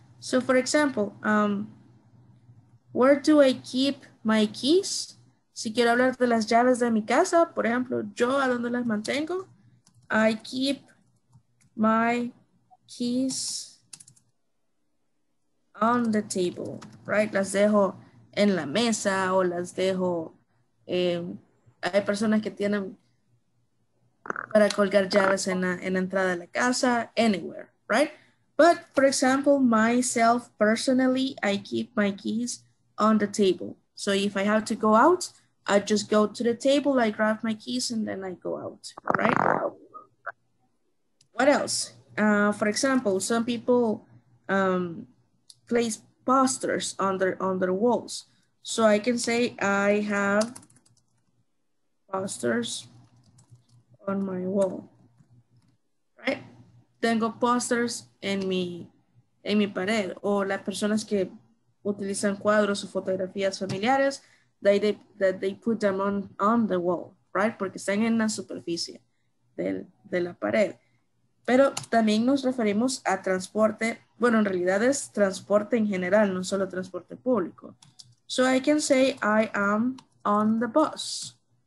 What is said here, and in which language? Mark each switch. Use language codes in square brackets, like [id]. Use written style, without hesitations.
[en] So for example, where do I keep my keys? [es] Si quiero hablar de las llaves de mi casa, por ejemplo, yo a dónde las mantengo. [en] I keep my keys on the table, right? [es] Las dejo en la mesa o las dejo, hay personas que tienen para colgar llaves en la entrada de la casa, [en] anywhere, right? But for example, myself personally, I keep my keys on the table. So if I have to go out, I just go to the table, I grab my keys and then I go out, right? What else? For example, some people place posters on their walls. So I can say I have posters on my wall, right? [es] Tengo posters en mi pared. O las personas que utilizan cuadros o fotografías familiares, [en] they put them on the wall, right? [es] Porque están en la superficie de la pared. Pero también nos referimos a transporte, bueno, en realidad es transporte en general, no solo transporte público. [en] So I can say I am on the bus.